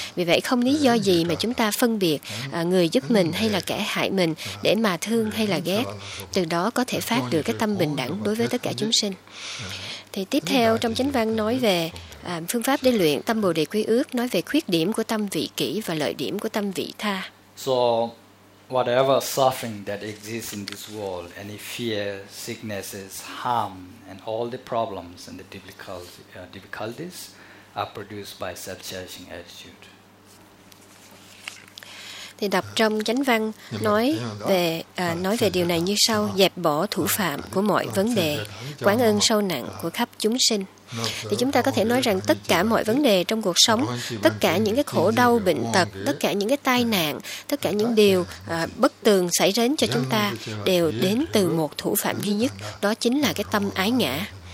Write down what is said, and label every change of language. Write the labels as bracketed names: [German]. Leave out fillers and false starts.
[Vietnamese] Vì vậy không lý do gì mà chúng ta phân biệt người giúp mình hay là kẻ hại mình để mà thương hay là ghét. Từ đó có thể phát được cái tâm bình đẳng đối với tất cả chúng sinh. Thì tiếp theo trong chánh văn nói về phương pháp để luyện tâm Bồ Đề Quy Ước, nói về khuyết điểm của tâm vị kỷ và lợi điểm của tâm vị tha. [English] So whatever suffering that exists in this world, any fear, sicknesses, harm, and all the problems and the difficulties are produced by self-cherishing attitude. [Vietnamese] Thì đọc trong chánh văn nói về điều này như sau: dẹp bỏ thủ phạm của mọi vấn đề, quán ơn sâu nặng của khắp chúng sinh. Thì chúng ta có thể nói rằng tất cả mọi vấn đề trong cuộc sống, tất cả những cái khổ đau, bệnh tật, tất cả những cái tai nạn, tất cả những điều bất tường xảy đến cho chúng ta đều đến từ một thủ phạm duy nhất, đó chính là cái tâm ái ngã.